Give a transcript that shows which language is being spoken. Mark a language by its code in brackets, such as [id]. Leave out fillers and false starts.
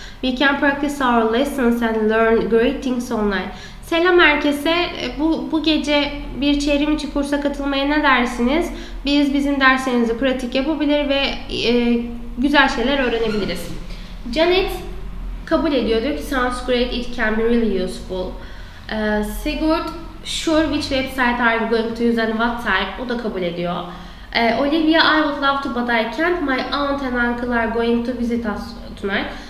[en] We can practice our lessons and learn great things online. [tr] Selam herkese. Bu gece bir çevrim içi kursa katılmaya ne dersiniz? Biz bizim derslerimizi pratik yapabilir ve güzel şeyler öğrenebiliriz. Janet kabul ediyor. Diyor ki [en] sounds great, it can be really useful. Sigurd, sure, which website are you going to use and what type? [tr] O da kabul ediyor. [en] Olivia, I would love to but I can't. My aunt and uncle are going to visit us tonight.